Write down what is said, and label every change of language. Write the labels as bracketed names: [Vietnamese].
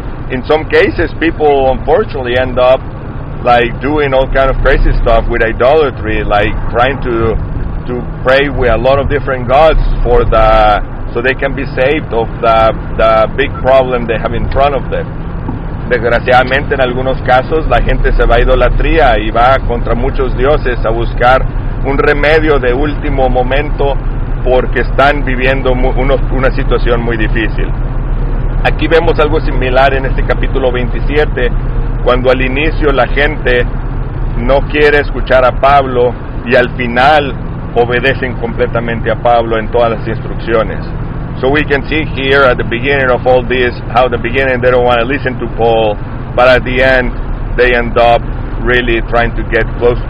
[English] In some cases, people unfortunately end up like doing all kind of crazy stuff with idolatry, like trying to pray with a lot of different gods for the so they can be saved of the big problem they have in front of them. [Spanish] Desgraciadamente, en algunos casos, la gente se va a idolatría y va contra muchos dioses a buscar un remedio de último momento porque están viviendo una situación muy difícil. Aquí vemos algo similar en este capítulo 27, cuando al inicio la gente no quiere escuchar a Pablo y al final obedecen completamente a Pablo en todas las instrucciones. [English] So we can see here at the beginning of all this, how the beginning they don't want to listen to Paul, but at the end they end up really trying to get close.